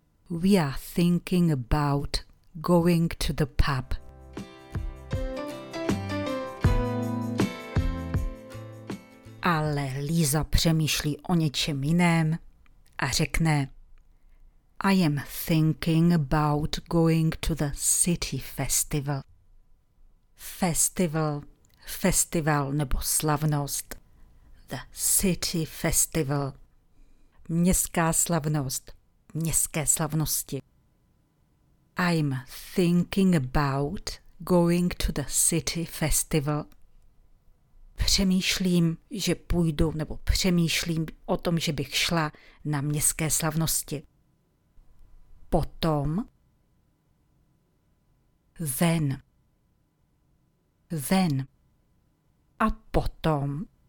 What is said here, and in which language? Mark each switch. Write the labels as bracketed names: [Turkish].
[English] We are thinking about going to the pub. [Czech] Ale Lisa přemýšlí o něčem jiném a řekne: [English] I am thinking about going to the city festival. [Czech] Festival, festival nebo slavnost. [English] The city festival. [Czech] Městská slavnost, městské slavnosti. [English] I'm thinking about going to the city festival. [Czech] Přemýšlím, že půjdu, nebo přemýšlím o tom, že bych šla na městské slavnosti. Potom. [English] Then. Then. [Czech] A potom.